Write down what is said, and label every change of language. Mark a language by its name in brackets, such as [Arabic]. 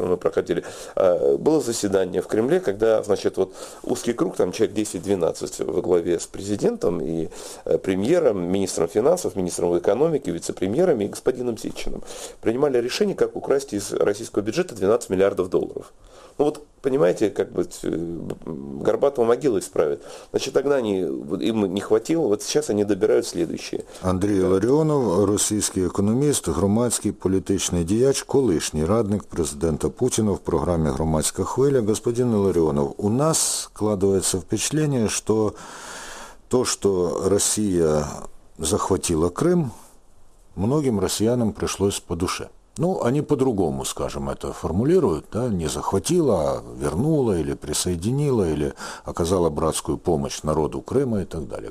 [Russian] там мы проходили, было заседание в Кремле, когда, значит, вот узкий круг, там человек 10-12 во главе с президентом и премьером, министром финансов, министром экономики, вице-премьерами и господином Сечиным, принимали решение, как украсть из российского бюджета 12 миллиардов долларов. Ну вот, понимаете, как бы горбатого могилу исправят. Значит, тогда они, им не хватило, вот сейчас они добирают следующее. [Ukrainian] Андрій Ларіонов, російський економіст, громадський політичний діяч, колишній радник президента Путіна в програмі «Громадська хвиля». [Russian] Господин Ларіонов, у нас складывается впечатление, что то, что Россия захватила Крым, многим россиянам пришлось по душе. Ну, они по-другому, скажем, это формулируют, да, не захватила, а вернула или присоединила, или оказала братскую помощь народу Крыма и так далее.